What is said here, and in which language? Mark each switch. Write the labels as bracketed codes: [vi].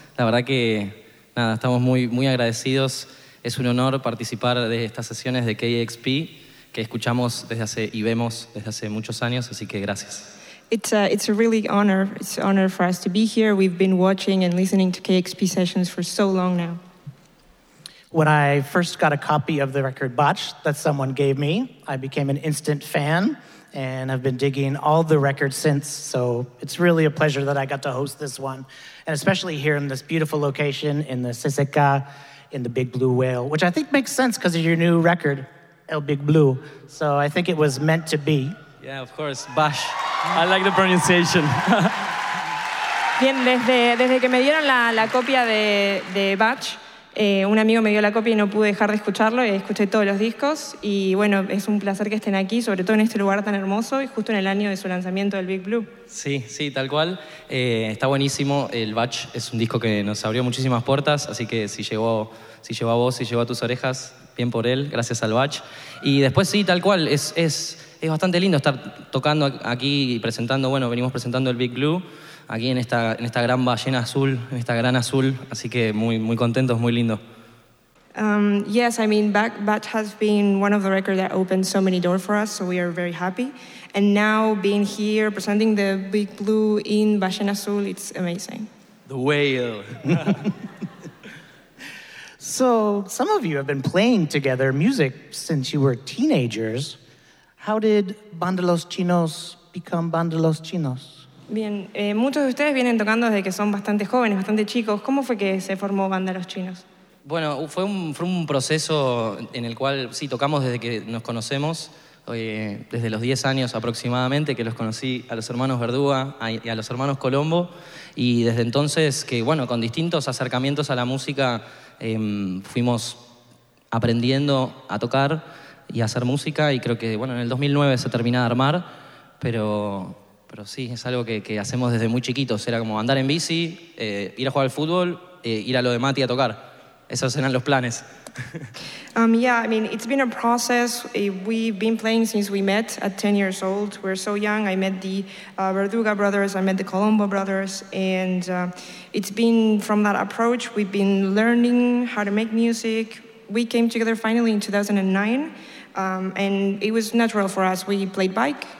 [es] La verdad que, nada, estamos muy, muy agradecidos. Es un honor participar de estas sesiones de KEXP que escuchamos desde hace y vemos desde hace muchos años, así que gracias. [en] It's a really honor. It's an honor for us to be here. We've been watching and listening to KEXP sessions for so long now. When I first got a copy of the record Botch that someone gave me, I became an instant fan. And I've been digging all the records since, so it's really a pleasure that I got to host this one, and especially here in this beautiful location in the Seseca, in the Big Blue Whale, which I think makes sense because of your new record, El Big Blue. So I think it was meant to be. Yeah, of course, Bash. I like the pronunciation. [es] Bien, desde que me dieron la copia de Bach, un amigo me dio la copia y no pude dejar de escucharlo. Escuché todos los discos y bueno, es un placer que estén aquí, sobre todo en este lugar tan hermoso y justo en el año de su lanzamiento del Big Blue. Sí, sí, tal cual. Está buenísimo. El Batch es un disco que nos abrió muchísimas puertas, así que si llegó a vos, si llegó a tus orejas, bien por él, gracias al Batch. Y después sí, tal cual, es bastante lindo estar tocando aquí y presentando, bueno, venimos presentando el Big Blue. Aquí en esta gran ballena azul, en esta gran azul, así que muy muy contentos, muy lindo. [en] Yes, I mean, Batch has been one of the records that opened so many doors for us, so we are very happy. And now being here presenting the Big Blue in [es] ballena azul, [en] it's amazing. The whale. So some of you have been playing together music since you were teenagers. How did Banda Los Chinos become Banda Los Chinos? [es] Bien, muchos de ustedes vienen tocando desde que son bastante jóvenes, bastante chicos. ¿Cómo fue que se formó Banda Los Chinos? Bueno, fue un proceso en el cual, sí, tocamos desde que nos conocemos, desde los 10 años aproximadamente, que los conocí a los hermanos Verdúa y a los hermanos Colombo. Y desde entonces, que bueno, con distintos acercamientos a la música, fuimos aprendiendo a tocar y a hacer música. Y creo que, bueno, en el 2009 se termina de armar, pero sí, es algo que hacemos desde muy chiquitos. Era como andar en bici, ir a jugar al fútbol, ir a lo de Mati a tocar. Esos eran los planes. [en] Yeah, I mean, it's been a process. We've been playing since we met at 10 years old. We're so young. I met the Verduga brothers, I met the Colombo brothers, and it's been from that approach. We've been learning how to make music. We came together finally in 2009, and it was natural for us. We played bike.